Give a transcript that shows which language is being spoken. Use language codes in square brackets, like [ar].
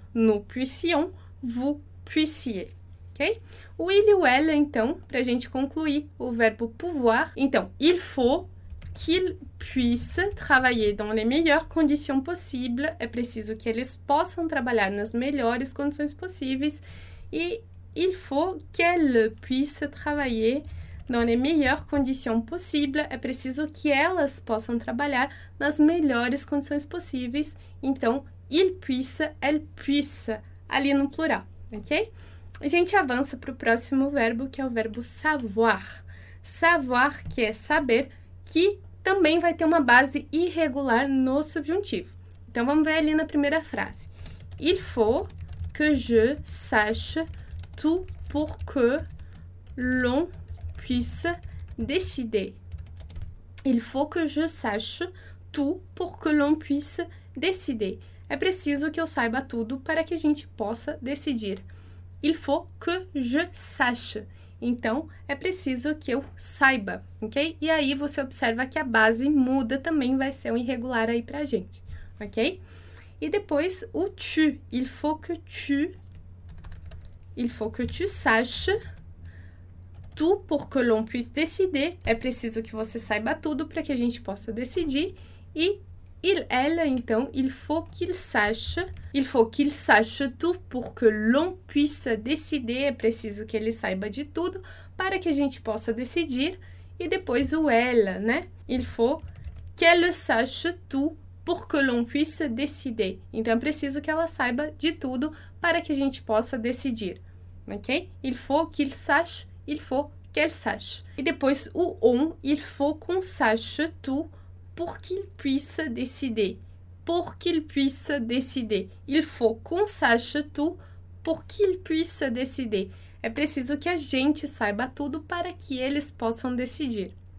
[fr] Nous puissions, vous puissiez, ok? [pt] O il e o elle, então, pra gente concluir o verbo pouvoir. Então, [fr] il faut qu'il puisse travailler dans les meilleures conditions possibles. [pt] É preciso que eles possam trabalhar nas melhores condições possíveis. [fr] E il faut qu'elle puisse travailler dans les meilleures conditions possibles. [pt] É preciso que elas possam trabalhar nas melhores condições possíveis. Então, [fr] il puisse, elle puisse, [pt] ali no plural, ok? A gente avança para o próximo verbo, que é o verbo savoir. Savoir, que é saber, que também vai ter uma base irregular no subjuntivo. Então, vamos ver ali na primeira frase. [fr] Il faut que je sache tout pour que l'on puisse décider. Il faut que je sache [pt] tudo por que [fr] l'on puisse [pt] decidir. É preciso que eu saiba tudo para que a gente possa decidir. [fr] Il faut que je sache. [pt] Então, é preciso que eu saiba, ok? E aí, você observa que a base muda também, vai ser um irregular aí pra gente, ok? E depois, o tu. [fr] Il faut que tu saches tout pour que l'on puisse décider. [pt] É preciso que você saiba tudo para que a gente possa decidir. [fr] E il, [pt] ela, então, [fr] il faut qu'il sache tout pour que l'on puisse décider. [pt] É preciso que ele saiba de tudo para que a gente possa decidir. E depois o ela, né? [fr] Il faut qu'elle sache tout pour que l'on puisse décider. [pt] Então, é preciso que ela saiba de tudo para que a gente possa decidir. Ok? [fr] Il faut qu'il sache, il faut qu'elle sache. [pt] E depois o [fr] on, il faut qu'on sache tout pour qu'il puisse décider. Pour qu'il puisse décider. Il faut qu'on sache tout pour qu'il puisse décider. [pt] É preciso que a gente saiba tudo para que eles possam decidir.